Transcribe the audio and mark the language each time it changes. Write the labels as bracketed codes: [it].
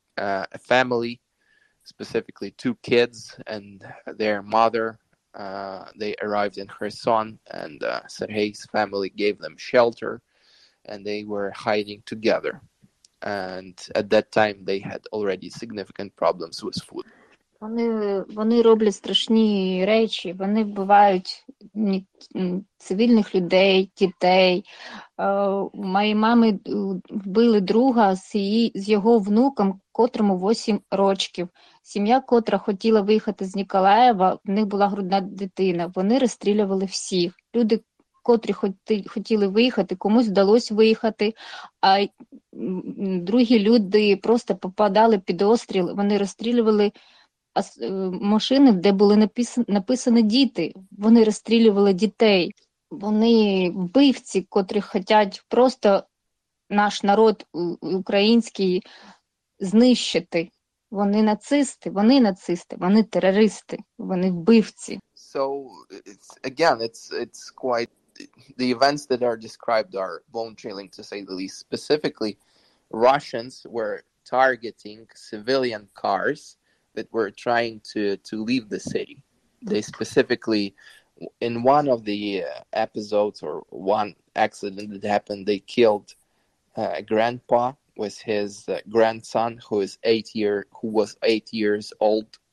[en] A family, specifically two kids and their mother, they arrived in Kherson, and Sergei's family gave them shelter. And they were hiding together. And at that time, they had already significant problems with food. [uk] Вони роблять страшні речі. Вони вбивають цивільних людей, дітей. Мої мами вбили друга з його внуком, котрому 8 рочків. Сім'я, котра хотіла виїхати з Ніколаєва, в них була грудна дитина. Вони розстрілювали всіх. Люди, котрі хотіли виїхати, комусь вдалося виїхати, а другі люди просто попадали під остріл, вони розстрілювали машини, де були написані діти, вони розстрілювали дітей. Вони вбивці, котрі хочуть просто наш народ український знищити. Вони нацисти, вони нацисти, вони терористи, вони вбивці. [en] So, it's quite... The events that are described are bone-chilling, to say the least. Specifically, Russians were targeting civilian cars that were trying to leave the city. They specifically, in one of the episodes or one accident that happened, they killed a grandpa with his grandson, who was 8 years old.